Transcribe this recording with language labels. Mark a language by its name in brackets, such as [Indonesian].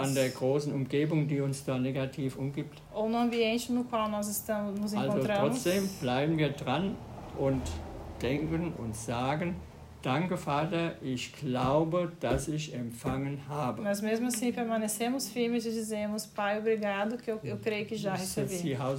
[German] Oder an der großen Umgebung, die uns da negativ umgibt. [Portuguese] Ou no ambiente no qual nós estamos nos encontramos. [German] Also trotzdem bleiben wir dran und denken und sagen, danke, Vater, ich glaube, dass ich empfangen habe. [Portuguese] Mas mesmo assim, permanecemos firmes e dizemos, Pai, obrigado, que eu creio que já recebi.